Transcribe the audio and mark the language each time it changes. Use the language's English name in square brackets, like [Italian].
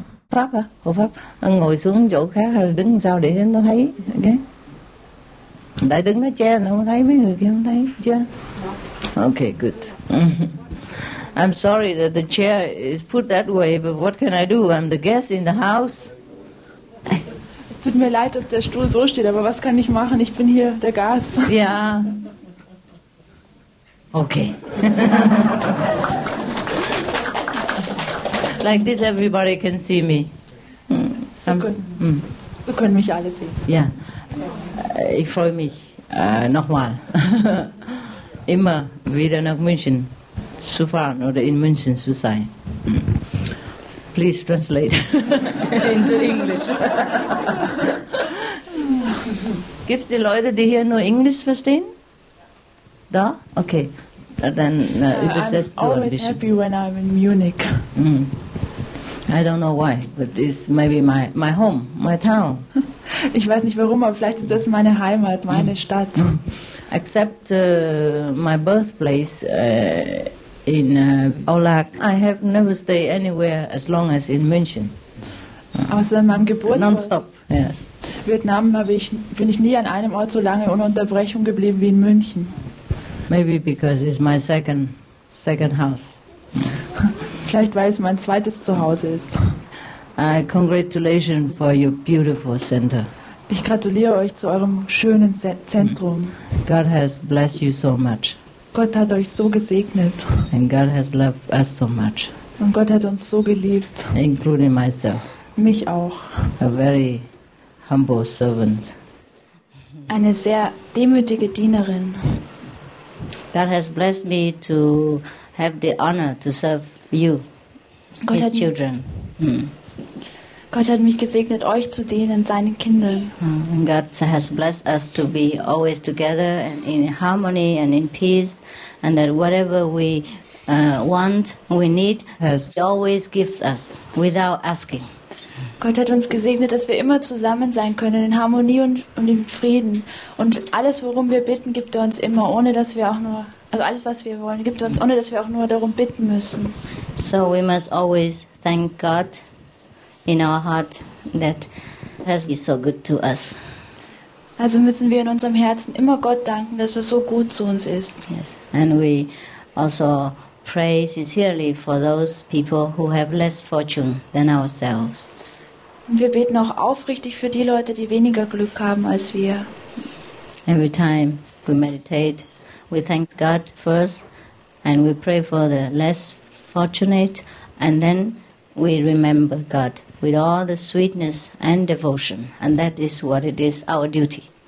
[Vietnamese] Pháp á, hộ pháp, ngồi xuống chỗ khác hay là đứng sao để nó thấy cái, đại đứng nó che nó không thấy mấy người kia không thấy chưa? [English] Okay, good. I'm sorry that the chair is put that way, but what can I do? I'm the guest in the house. [German] Es tut mir leid, dass der Stuhl so steht, aber was kann ich machen? Ich bin hier der Gast. Ja. Yeah. [English] Okay. Like this, everybody can see me. [German] Wir können mich alle sehen. Ja, ich freue mich nochmal, immer wieder nach München zu fahren oder in München zu sein. [English] Please translate into English. [German] Gibt es die Leute, die hier nur Englisch verstehen? Da? Okay. Then übersetzt du ein bisschen. [English] I'm always happy when I'm in Munich. I don't know why, but it's maybe my home, my town. [German] Ich weiß nicht warum, aber vielleicht ist das meine Heimat, meine Stadt. [English] Except my birthplace in Aulach. I have never stayed anywhere as long as in München. [German] Außer meinem Geburtsort. [English] Non-stop, yes. [German] Vietnam bin ich nie an einem Ort so lange ohne Unterbrechung geblieben wie in München. [English] Maybe because it's my second house. [German] Vielleicht, weil es mein zweites Zuhause ist. [English] Congratulations for your beautiful center. [German] Ich gratuliere euch zu eurem schönen Zentrum. [English] God has blessed you so much. [German] Gott hat euch so gesegnet. [English] And God has loved us so much. [German] Und Gott hat uns so geliebt. [English] Including myself. [German] Mich auch. [English] A very humble servant. [German] Eine sehr demütige Dienerin. [English] God has blessed me to have the honor to serve you, [German] Gott [English] his children. [German] Gott hat mich gesegnet, euch zu dienen, seinen Kindern. [English] God has blessed us to be always together and in harmony and in peace, and that whatever we want, we need, yes. He always gives us without asking. [German] Gott hat uns gesegnet, dass wir immer zusammen sein können, in Harmonie und in Frieden. Und alles, worum wir bitten, gibt er uns immer, ohne dass wir auch nur... Also alles, was wir wollen, gibt uns, ohne dass wir auch nur darum bitten müssen. [English] So we must always thank God in our heart that has been so good to us. [German] Also müssen wir in unserem Herzen immer Gott danken, dass er so gut zu uns ist. [English] Yes, and we also pray sincerely for those people who have less fortune than ourselves. [German] Und wir beten auch aufrichtig für die Leute, die weniger Glück haben als wir. [English] Every time we meditate, we thank God first, and we pray for the less fortunate, and then we remember God with all the sweetness and devotion, and that is what it is, our duty.